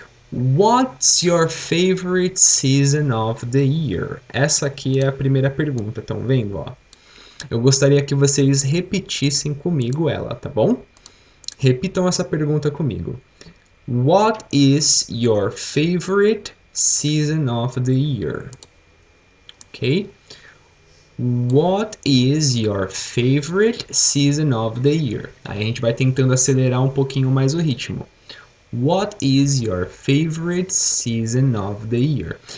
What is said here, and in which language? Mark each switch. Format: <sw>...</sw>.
<en>What's your favorite season of the year?</en> <pt>Essa aqui é a primeira pergunta. Estão vendo, ó? Eu gostaria que vocês repetissem comigo ela, tá bom? Repitam essa pergunta comigo.</pt> <en>What is your favorite season of the year? Ok? What is your favorite season of the year?</en> <pt>Aí a gente vai tentando acelerar um pouquinho mais o ritmo.</pt> <en>What is your favorite season of the year?</en>